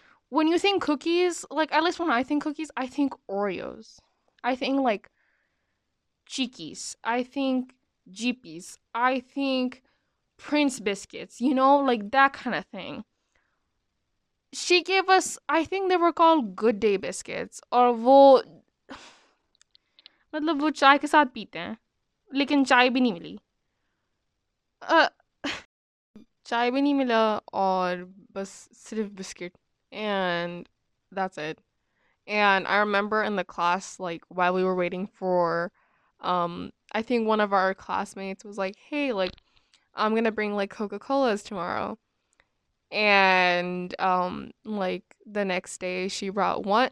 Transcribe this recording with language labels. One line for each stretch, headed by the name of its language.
English: When you think cookies, like at least when I think cookies, I think Oreos. I think like Cheekies. I think Jeepies. I think Prince Biscuits, you know, like that kind of thing. She gave us, I think they were called Good Day Biscuits. Or
Hindi: वो मतलब वो चाय के साथ पीते हैं लेकिन चाय भी नहीं मिली. चाय भी नहीं मिला और बस सिर्फ biscuit.
English: And that's it. And I remember in the class, like while we were waiting for, I think one of our classmates was like, "Hey, like, I'm gonna bring like Coca-Colas tomorrow." And like the next day, she brought one.